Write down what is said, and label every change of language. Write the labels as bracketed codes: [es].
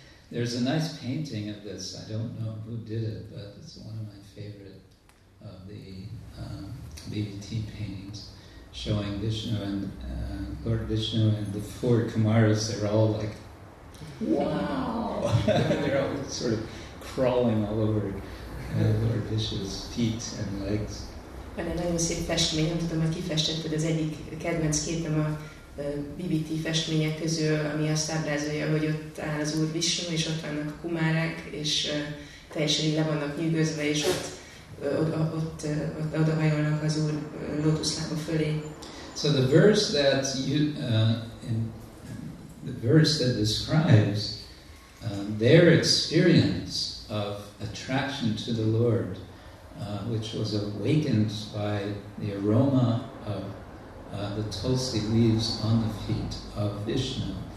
[en] There's a nice painting of this. I don't know who did it, but it's one of my favorite of the BBT paintings, showing Vishnu and Lord Vishnu and the four Kumaras. They're all like, wow! They're all sort of crawling all over Lord Vishnu's feet and legs. [hu] Van egy nagyon szép festmény, nem tudom, hogy ki festetted, az egyik kedvenc képem a BBT festmények közül, ami azt ábrázolja, hogy ott áll az Úr Vishnu, és ott vannak a kumárák, és teljesen így le vannak nyűgözve, és ott odahajolnak az Úr lótuszlába fölé. [en] So the verse that you, in the verse that describes their experience of attraction to the Lord, which was awakened by the aroma of the tulsi leaves on the feet of Vishnu.